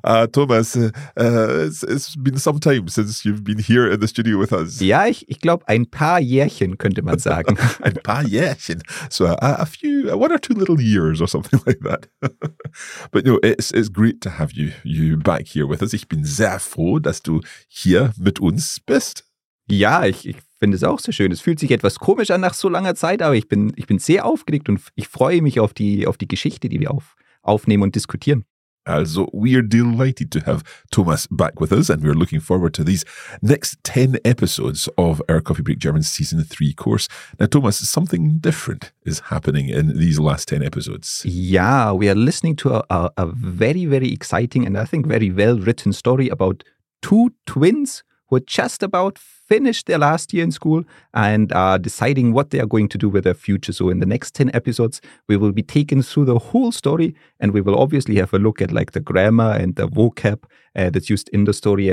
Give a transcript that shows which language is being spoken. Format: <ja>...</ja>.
<en>Thomas, it's been some time since you've been here in the studio with us.</en> <de>Ja, ich glaube, ein paar Jährchen könnte man sagen. Ein paar Jährchen.</de> <en>So one or two little years or something like that. But no, it's great to have you back here with us.</en> <de>Ich bin sehr froh, dass du hier mit uns bist. Ja, ich finde es auch so schön. Es fühlt sich etwas komisch an nach so langer Zeit, aber ich bin sehr aufgeregt und ich freue mich auf die Geschichte, die wir aufnehmen und diskutieren.</de> <en>Also, we are delighted to have Thomas back with us and we are looking forward to these next 10 episodes of our Coffee Break German Season 3 course. Now, Thomas, something different is happening in these last 10 episodes. Yeah, we are listening to a very, very exciting and I think very well-written story about two twins who are just about finished their last year in school and are deciding what they are going to do with their future. So in the next 10 episodes, we will be taken through the whole story and we will obviously have a look at like the grammar and the vocab that's used in the story.</en>